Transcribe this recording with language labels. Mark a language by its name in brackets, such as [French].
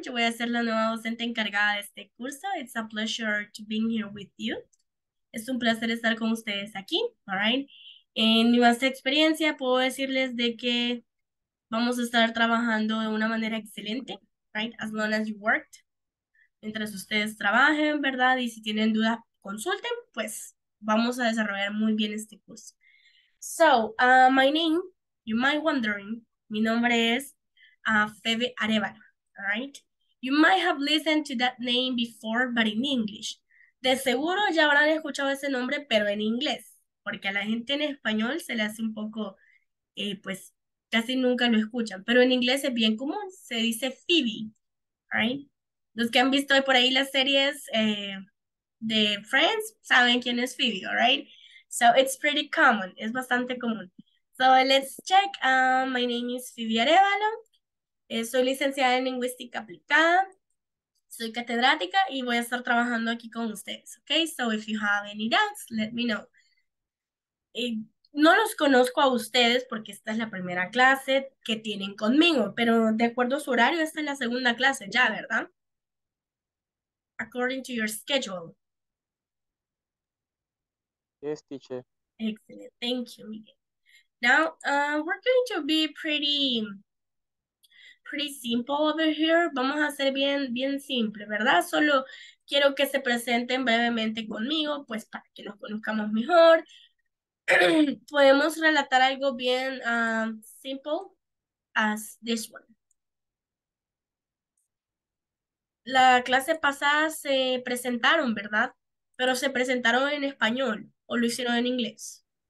[Spanish] Yo voy a ser la nueva docente encargada de este curso. [English] It's a pleasure to be here with you. [Spanish] Es un placer estar con ustedes aquí, [English] all right? [Spanish] En nuestra experiencia, puedo decirles de que vamos a estar trabajando de una manera excelente, right? [English] As long as you worked. [Spanish] Mientras ustedes trabajen, ¿verdad? Y si tienen dudas, consulten, pues vamos a desarrollar muy bien este curso. [English] So, my name, you might wondering, [Spanish] mi nombre es Febe Arevalo, [English] all right? You might have listened to that name before, but in English. [Spanish] De seguro ya habrán escuchado ese nombre, pero en inglés, porque a la gente en español se le hace un poco, pues casi nunca lo escuchan, pero en inglés es bien común, se dice Phoebe, ¿right? Los que han visto por ahí las series de Friends saben quién es Phoebe, ¿right? [English] So it's pretty common, [Spanish] es bastante común. [English] So let's check, my name is Phoebe Arevalo, [Spanish] soy licenciada en lingüística aplicada. Soy catedrática y voy a estar trabajando aquí con ustedes, ¿ok? [English] So if you have any doubts, let me know. [Spanish] No los conozco a ustedes porque esta es la primera clase que tienen conmigo, pero de acuerdo a su horario, esta es la segunda clase ya, ¿verdad? [English] According to your schedule. Yes, teacher. Excellent. Thank you, Miguel. Now, we're going to be pretty simple over here. [Spanish] Vamos a hacer bien, bien simple, ¿verdad? Solo quiero que se presenten brevemente conmigo, pues para que nos conozcamos mejor. Podemos relatar algo bien simple [English] as this one. [Spanish] La clase pasada se presentaron, ¿verdad? Pero se presentaron en español o lo hicieron en inglés.